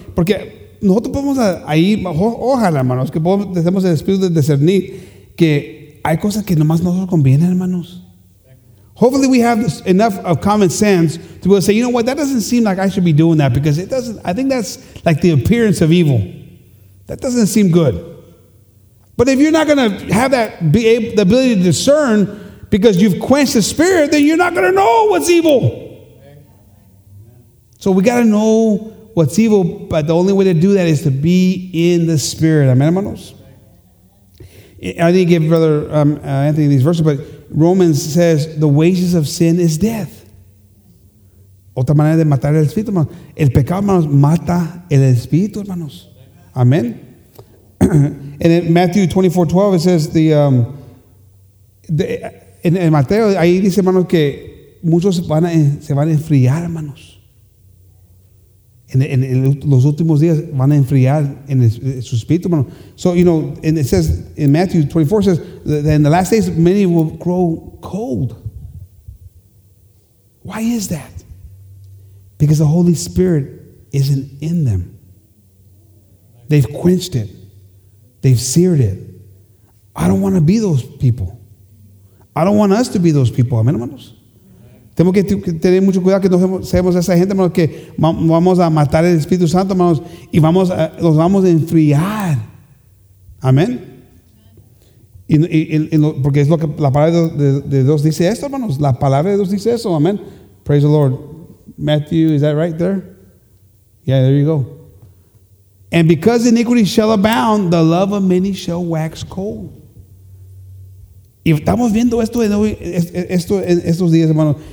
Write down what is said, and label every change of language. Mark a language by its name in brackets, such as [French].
[Spanish] Porque nosotros podemos ahí, ojalá, hermanos, que tenemos el espíritu de discernir que hay cosas que nomás nosotros convienen, hermanos. [English] Hopefully we have enough of common sense to be able to say, you know what, that doesn't seem like I should be doing that because it doesn't, I think that's like the appearance of evil. That doesn't seem good. But if you're not going to have that the ability to discern, because you've quenched the spirit, then you're not going to know what's evil. So we got to know what's evil, but the only way to do that is to be in the spirit. [Spanish] Amen, hermanos? [English] I didn't give Brother Anthony these verses, but Romans says, the wages of sin is death. [Spanish] Otra manera de matar el espíritu, hermanos. El pecado, hermanos, mata el espíritu, hermanos. Amen. [English] And in Matthew 24:12, it says [Spanish] En Mateo, ahí dice, hermanos, que muchos se van a enfriar, hermanos. En los últimos días van a enfriar en su espíritu, hermanos. [English] So, you know, and it says, in Matthew 24, it says, that in the last days, many will grow cold. Why is that? Because the Holy Spirit isn't in them. They've quenched it. They've seared it. I don't want to be those people. I don't want us to be those people. [Spanish] Amen, hermanos. Tenemos que tener mucho cuidado que no seamos esa gente, hermanos, que vamos a matar el Espíritu Santo, hermanos, y los vamos a enfriar. Amén. Porque es lo que la palabra de Dios dice esto, hermanos. La palabra de Dios dice eso. Amén. [English] Praise the Lord. Matthew, is that right there? Yeah, there you go. And because iniquity shall abound, the love of many shall wax cold. [Spanish] Y estamos viendo esto en estos días, hermanos.